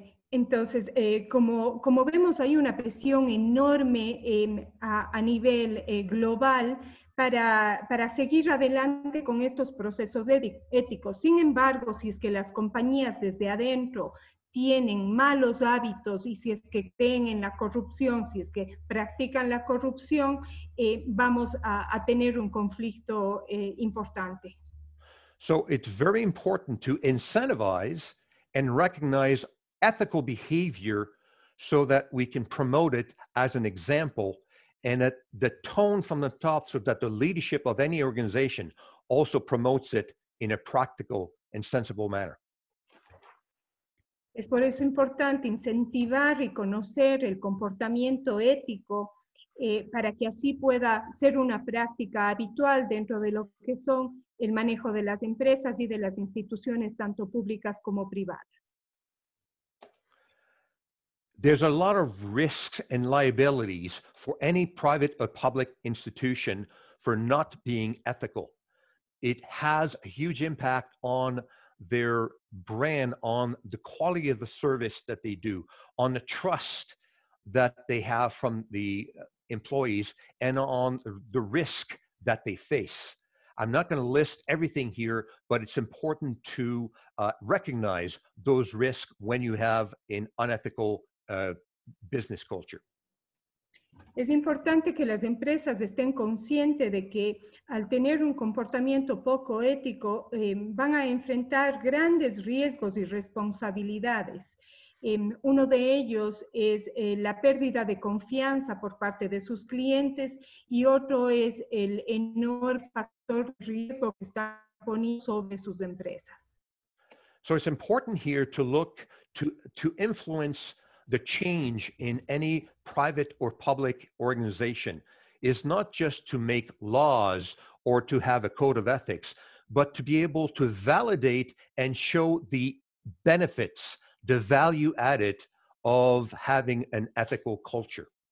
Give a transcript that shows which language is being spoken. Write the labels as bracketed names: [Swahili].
[Spanish] Entonces, como vemos, hay una presión enorme a nivel global para seguir adelante con estos procesos éticos. Sin embargo, si es que las compañías desde adentro tienen malos hábitos y si es que creen en la corrupción, si es que practican la corrupción, vamos a tener un conflicto importante. [English] So it's very important to incentivize and recognize ethical behavior so that we can promote it as an example and that the tone from the top so that the leadership of any organization also promotes it in a practical and sensible manner. [Spanish] Es por eso importante incentivar y conocer el comportamiento ético para que así pueda ser una práctica habitual dentro de lo que son el manejo de las empresas y de las instituciones, tanto públicas como privadas. [English] There's a lot of risks and liabilities for any private or public institution for not being ethical. It has a huge impact on their brand, on the quality of the service that they do, on the trust that they have from the employees, and on the risk that they face. I'm not going to list everything here, but it's important to recognize those risks when you have an unethical business culture. [Spanish] Es importante que las empresas estén conscientes de que al tener un comportamiento poco ético van a enfrentar grandes riesgos y responsabilidades. Uno de ellos es la pérdida de confianza por parte de sus clientes y otro es el enorme factor de riesgo que está poniendo sobre sus empresas. [English] So it's important here to look to influence the change in any private or public organization. It's not just to make laws or to have a code of ethics, but to be able to validate and show the benefits, the value added of having an ethical culture.